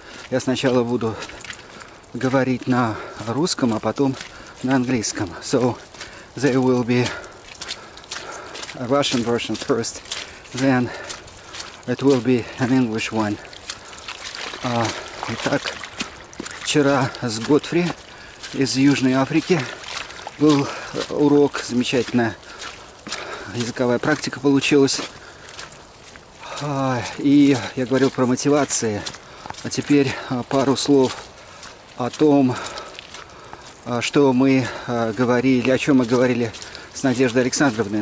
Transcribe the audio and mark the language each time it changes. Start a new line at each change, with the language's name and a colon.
Russian: Я сначала буду говорить на русском, а потом на английском.
English: So, there will be a Russian version first, then it will be an English one.
Russian: Итак, вчера с Готфри из Южной Африки был урок замечательный. Языковая практика получилась. И я говорил про мотивации. А теперь пару слов о том, что мы говорили, о чем мы говорили с Надеждой Александровной.